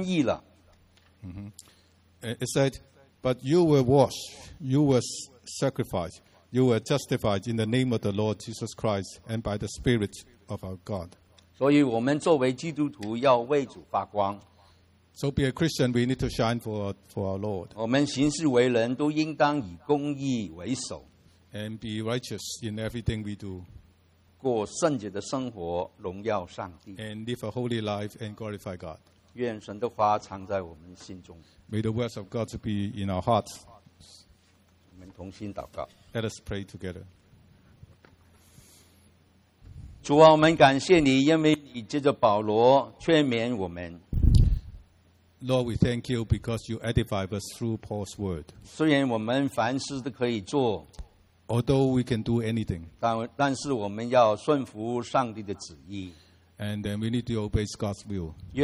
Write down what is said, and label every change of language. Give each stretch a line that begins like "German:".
Chinese: 他说,如今你们奉主耶稣基督的名,并借着我们神的灵,已经洁死净,称义了。
English: It said, But you were washed, you were sacrificed, you were justified in the name of the Lord Jesus Christ and by the Spirit of our God.
Chinese: 所以我们作为基督徒要为主发光。
English: So be a Christian, we need to shine for our Lord.
Chinese: 我们行事为人都应当以公义为首,
English: and be righteous in everything we do.
Chinese: 过圣洁的生活, 荣耀上帝,
English: and live a holy life and glorify God.
Chinese: 愿神的话藏在我们心中,
English: May the words of God be in our hearts.
Chinese: 我们同心祷告,
English: Let us pray together.
Chinese: 主啊, 我们感谢你, 因为你借着保罗劝勉我们。
English: Lord, we thank you because you edify us through Paul's word. Although we can do anything, and then we need to obey God's will.